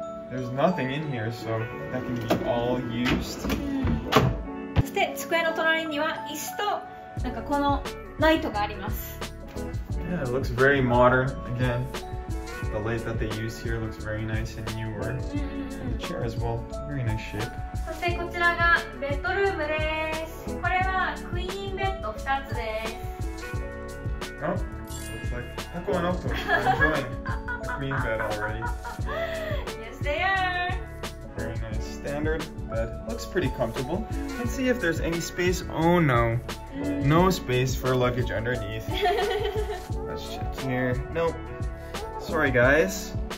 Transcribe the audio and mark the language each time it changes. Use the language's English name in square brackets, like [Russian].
[English] There's nothing in here, so that can be all used. [Japanese] そして机の隣には椅子となんかこのライトがあります。 [English] Yeah, it looks very modern. Again, the light that they use here looks very nice and newer. And the chair as well, very nice shape. [Japanese] そしてこちらがベッドルームです。これはクイーンベッド2つです。 [English] Oh, looks like Paco and Octo are enjoying the queen bed already. Yes, they are. Very nice standard bed. Looks pretty comfortable. Let's see if there's any space. Oh no. No space for luggage underneath. Let's check here. Nope. Sorry, guys.